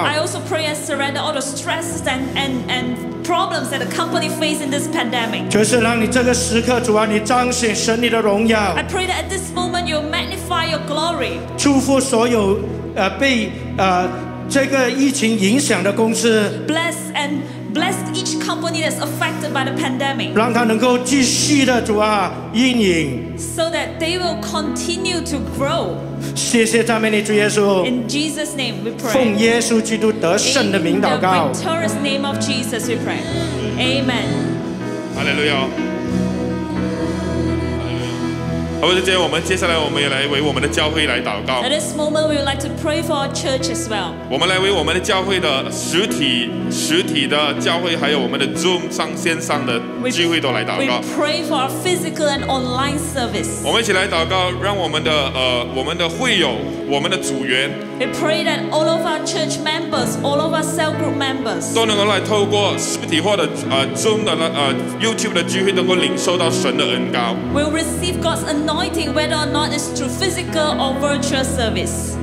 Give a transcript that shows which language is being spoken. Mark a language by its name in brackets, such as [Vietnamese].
[English] I also pray and surrender all the stresses and problems that the company faces in this pandemic. [Chinese] 就是让你这个时刻，主啊，你彰显神你的荣耀。 [English] I pray that at this moment you magnify your glory. [Chinese] 祝福所有被这个疫情影响的公司。 [English] Bless each company that's affected by the pandemic. [Chinese] 让他能够继续的主啊运营。 [English] So that they will continue to grow. [Chinese] 谢谢赞美你主耶稣。 [English] In Jesus' name we pray. [Chinese] 奉耶稣基督得胜的名祷告。 [English] In the victorious name of Jesus we pray. Amen. Hallelujah. [Chinese] 好，就这样，我们接下来我们也来为我们的教会来祷告。 [English] At this moment, we would like to pray for our church as well. [Chinese] 我们来为我们的教会的实体的教会，还有我们的 Zoom 上线上的聚会都来祷告。 [English] We pray for our physical and online service. [Chinese] 我们一起来祷告，让我们的我们的会友，我们的组员。 [English] We pray that all of our church members, all of our cell group members, [Chinese] 都能够来透过实体或者Zoom 的YouTube 的聚会，能够领受到神的恩膏。 [English] We'll receive God's anointing, whether or not it's through physical or virtual service.